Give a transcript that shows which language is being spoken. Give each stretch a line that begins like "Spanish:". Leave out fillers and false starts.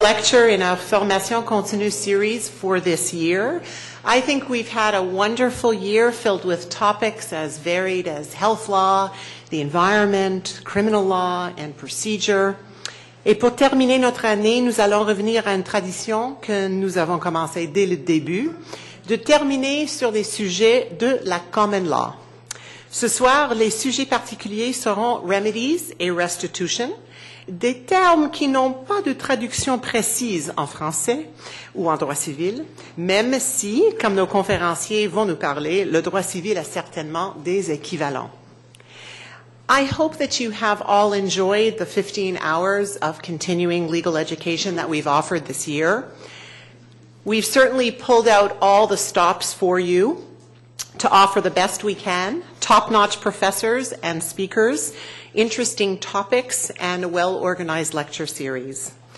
English: lecture in a Formation Continue series for this year. I think we've had a wonderful year filled with topics as varied as health law, the environment, criminal law, and procedure.
French: Et pour terminer notre année, nous allons revenir à une tradition que nous avons commencée dès le début, de terminer sur des sujets de la common law. Ce soir, les sujets particuliers seront remedies et restitution, des termes qui n'ont pas de traduction précise en français ou en droit civil, même si, comme nos conférenciers vont nous parler, le droit civil a certainement des équivalents.
English: I hope that you have all enjoyed the 15 hours of continuing legal education that we've offered this year. We've certainly pulled out all the stops for you to offer the best we can, top-notch professors and speakers, interesting topics, and a well-organized lecture series.